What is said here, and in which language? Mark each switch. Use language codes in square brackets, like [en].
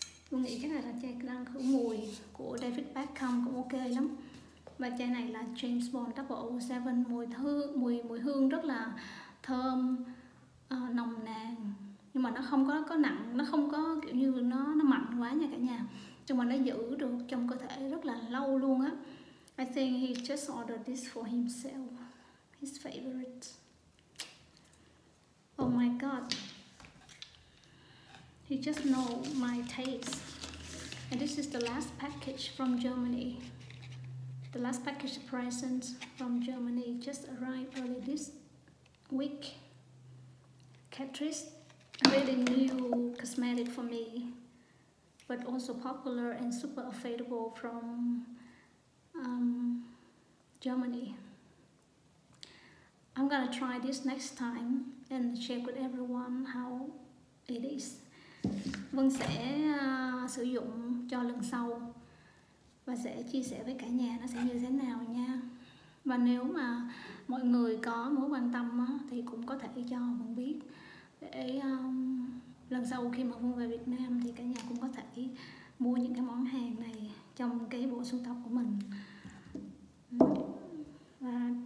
[vi] Tôi nghĩ chắc là chai đang khử mùi của David Beckham cũng ok lắm. Và chai này là James Bond 007, mùi hương rất là thơm, nồng nàn. Nhưng mà nó không có nặng, nó không có kiểu như nó mạnh quá nha cả nhà. Nhưng mà nó giữ được trong cơ thể rất là lâu luôn á. [en] I think he just ordered this for himself. His favorite. Oh my god. He just know my taste. And this is the last package from Germany. The last package present from Germany just arrived early this week. Catrice, really new cosmetic for me, but also popular and super affordable from Germany. I'm gonna try this next time and share with everyone how it is. [vi] Vân sẽ sử dụng cho lần sau và sẽ chia sẻ với cả nhà nó sẽ như thế nào nha. Và nếu mà mọi người có mối quan tâm thì cũng có thể cho Vân biết để lần sau khi mà Vân về Việt Nam thì cả nhà cũng có thể mua những cái món hàng này trong cái bộ sưu tập của mình. Và